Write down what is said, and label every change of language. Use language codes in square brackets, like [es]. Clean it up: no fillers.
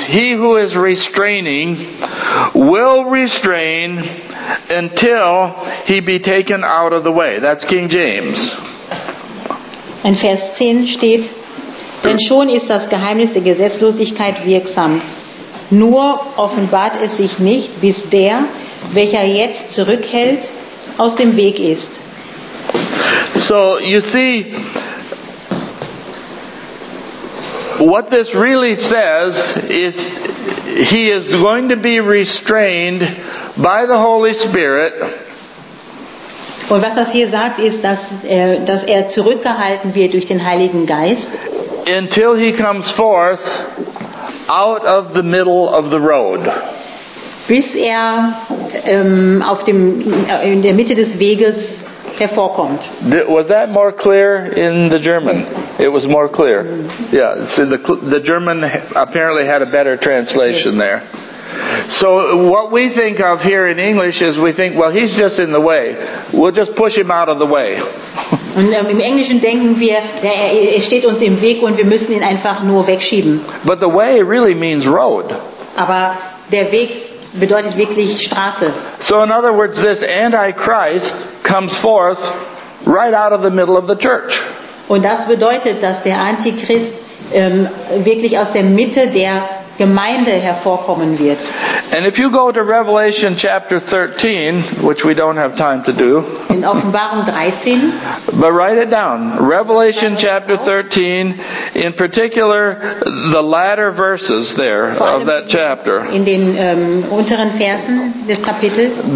[en] He who is restraining will restrain until he be taken out of the way. That's King James. [de] In Vers 10 steht, denn schon ist das Geheimnis der Gesetzlosigkeit wirksam. Nur offenbart es sich nicht, bis der, welcher jetzt zurückhält, aus dem Weg ist. [en] So, you see, what this really says is he is going to be restrained by the Holy Spirit. [de] Und was das hier sagt, ist, dass er zurückgehalten wird durch den Heiligen Geist. [en] Until he comes forth out of the middle of the road. [de] Bis er in der Mitte des Weges hervorkommt. [en] Was that more clear in the German? It was more clear. Yeah, so the German apparently had a better translation there. So what we think of here in English is we think, well, he's just in the way. We'll just push him out of the way. [de] Und im Englischen denken wir, er steht uns im Weg und wir müssen ihn einfach nur wegschieben. [en] But the way really means road. [de] Aber der Weg bedeutet wirklich Straße. [en] So in other words, this Antichrist comes forth right out of the middle of the church. [de] Und das bedeutet, dass der Antichrist wirklich aus der Mitte der Gemeinde hervorkommen wird. [en] And if you go to Revelation chapter 13, which we don't have time to do. [de] In Offenbarung 13. [en] But write it down. Revelation chapter 13, in particular the latter verses there of that chapter. [de] In den unteren Versen des Kapitels.